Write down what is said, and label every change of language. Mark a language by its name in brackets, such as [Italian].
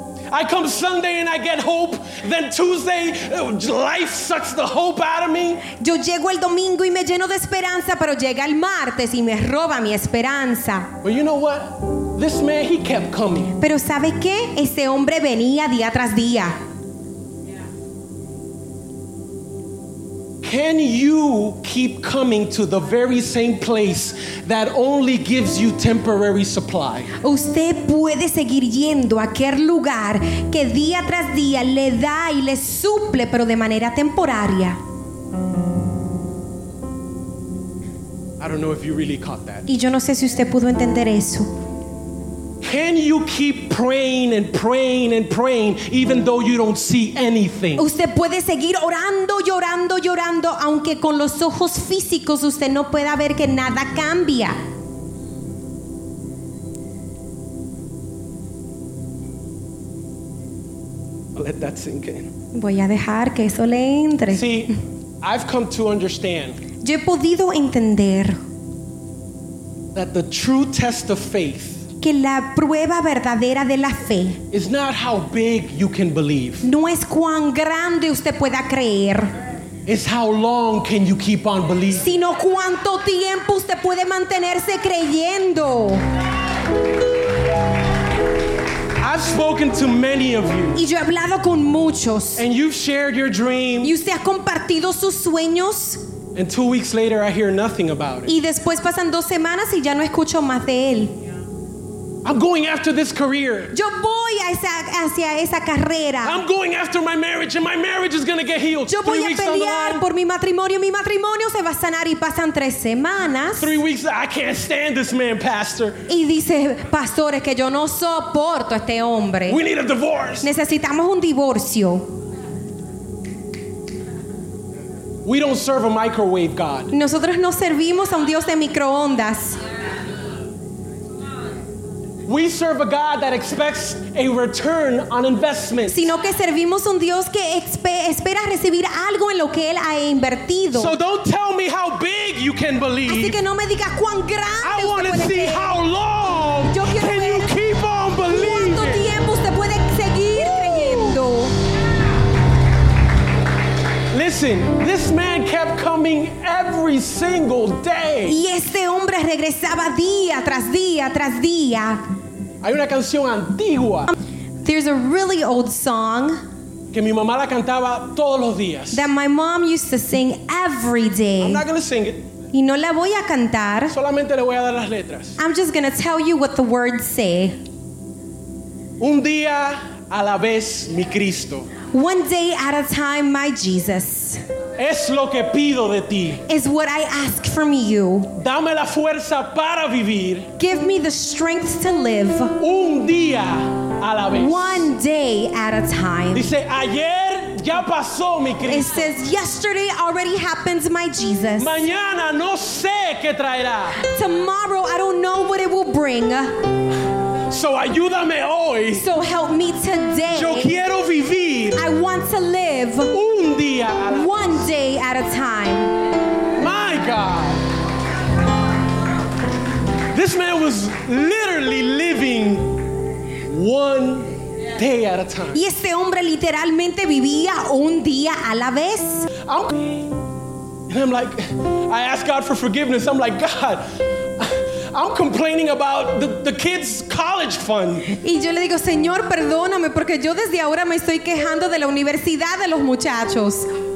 [English] I come Sunday and I get hope, then Tuesday life sucks the hope out of me. [Spanish] Yo llego el domingo y me lleno de esperanza, pero llega el martes y me roba mi esperanza. [English] But you know what? This man, he kept coming. [Spanish] Pero ¿sabe qué? Este hombre venía día tras día. [English] Can you keep coming to the very same place that only gives you temporary supply? [Spanish] Usted puede seguir yendo a aquel lugar que día tras día le da y le suple, pero de manera temporaria. [English] I don't know if you really caught that. [Spanish] Y yo no sé si usted pudo entender eso. [English] Can you keep praying and praying and praying even though you don't see anything? [Spanish] Usted puede seguir orando, llorando, llorando, aunque con los ojos físicos usted no pueda ver que nada cambia. [English] I'll let that sink in. [Spanish] Voy a dejar que eso le entre. [English] See, I've come to understand. [Spanish] Yo he podido entender [English] that the true test of faith. [Spanish] Que la prueba verdadera de la fe [English] is not how big you can believe. [Spanish] No es cuán grande usted pueda creer. [English] It's how long can you keep on believing. [Spanish] Sino cuánto tiempo usted puede mantenerse creyendo. [English] I've spoken to many of you. [Spanish] Y yo he hablado con muchos. [English] And you've shared your dream. [Spanish] Y usted ha compartido sus sueños. [English] And 2 weeks later I hear nothing about it. [Spanish] Y después pasan 2 semanas y ya no escucho más de él. [English] I'm going after this career. [Spanish] Yo voy hacia esa carrera. [English] I'm going after my marriage, and my marriage is going to get healed. [Spanish] Yo voy a pelear por mi matrimonio se va a sanar y pasan 3 semanas. [English] 3 weeks, I can't stand this man, pastor. [Spanish] Y dice, pastor, es que yo no soporto este hombre. [English] We need a divorce. [Spanish] Necesitamos un divorcio. [English] We don't serve a microwave God. [Spanish] Nosotros no servimos a un Dios de microondas. [English] We serve a God that expects a return on investment. [Spanish] Sino que servimos un Dios que espera recibir algo en lo que él ha invertido. [English] So don't tell me how big you can believe. [Spanish] Así que no me digas cuán grande [English] I want to see [Spanish] creer. [English] How long [Spanish] Yo [English] can [Spanish] ver [English] you keep on believing. [Spanish] ¿Cuánto tiempo usted puede seguir creyendo? [English] Listen, this man kept coming every single day. [Spanish] Y este hombre regresaba día tras día tras día. Hay una canción antigua. [English] There's a really old song [Spanish] que mi mamá la cantaba todos los días. [English] That my mom used to sing every day. I'm not going to sing it. [Spanish] Y no la voy a cantar. Solamente le voy a dar las letras. [English] I'm just going to tell you what the words say. [Spanish] Un día a la vez, mi Cristo. [English] One day at a time, my Jesus. [Spanish] Es lo que pido de ti. [English] Is what I ask from you. [Spanish] Dame la fuerza para vivir. [English] Give me the strength to live. [Spanish] Un día a la vez. [English] One day at a time. [Spanish] Dice, ayer ya pasó, mi Cristo. [English] It says, yesterday already happened, my Jesus. [Spanish] Mañana no sé qué traerá. [English] Tomorrow, I don't know what it will bring. [Spanish] So ayúdame hoy. [English] So help me today. [Spanish] Yo quiero vivir. [English] I want to live. [Spanish] Un día. [English] One day at a time. My God. This man was literally living one day at a time. [Spanish] Y este hombre literalmente vivía un día a la vez. [English] And I'm like, I ask God for forgiveness. I'm like, God, I'm complaining about the kids' college fund. [Spanish] Y yo le digo, Señor, perdóname porque yo desde ahora me estoy quejando de la universidad de los muchachos.